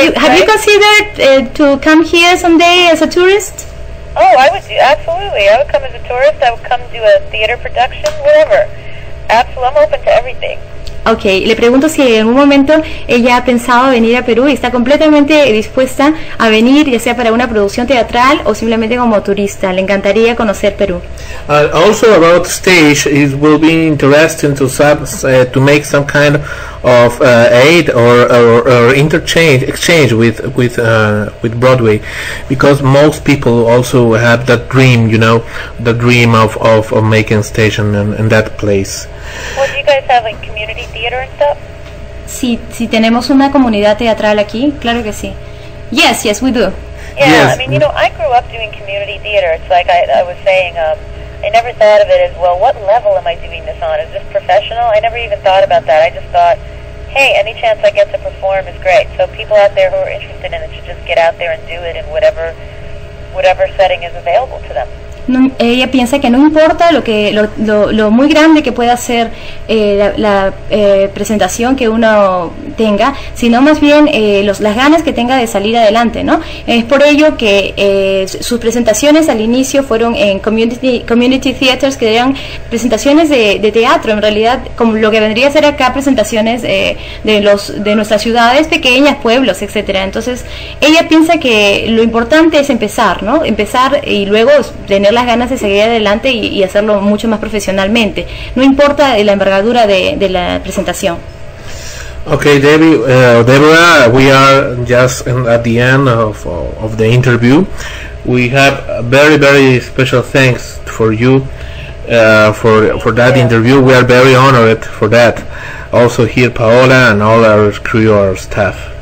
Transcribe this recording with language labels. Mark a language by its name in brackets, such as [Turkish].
[English] Have you considered to come here someday as a tourist? Oh, I would do, absolutely. I would come as a tourist. I would come do a theater production, whatever. Absolutely, I'm open to everything. [Spanish] Okay, le pregunto si en un momento ella ha pensado venir a Perú y está completamente dispuesta a venir, ya sea para una producción teatral o simplemente como turista. Le encantaría conocer Perú. [English] Also about stage, it will be interesting to make some kind of aid or exchange with Broadway, because most people also have that dream, you know, the dream of making stage in that place. Well, do you guys have like community theater and stuff? [Spanish] Sí, tenemos una comunidad teatral aquí, claro que sí. [English] Yes, we do. Yeah, yes. I mean, you know, I grew up doing community theater. It's like I was saying, I never thought of it as, well, what level am I doing this on? Is this professional? I never even thought about that. I just thought, hey, any chance I get to perform is great. So people out there who are interested in it should just get out there and do it in whatever setting is available to them. [Spanish] No, ella piensa que no importa lo muy grande que pueda ser la presentación que uno tenga, sino más bien las ganas que tenga de salir adelante, ¿no? Es por ello que sus presentaciones al inicio fueron en community theaters, que eran presentaciones de teatro, en realidad, como lo que vendría a ser acá, presentaciones de nuestras ciudades, pequeñas, pueblos, etcétera. Entonces, ella piensa que lo importante es empezar, ¿no? Empezar y luego tener las ganas de seguir adelante y hacerlo mucho más profesionalmente. No importa la envergadura de la presentación. [English] Okay, Deborah, we are just at the end of the interview. We have a very, very special thanks for you for that interview. We are very honored for that. Also here, Paola and all our crew, our staff.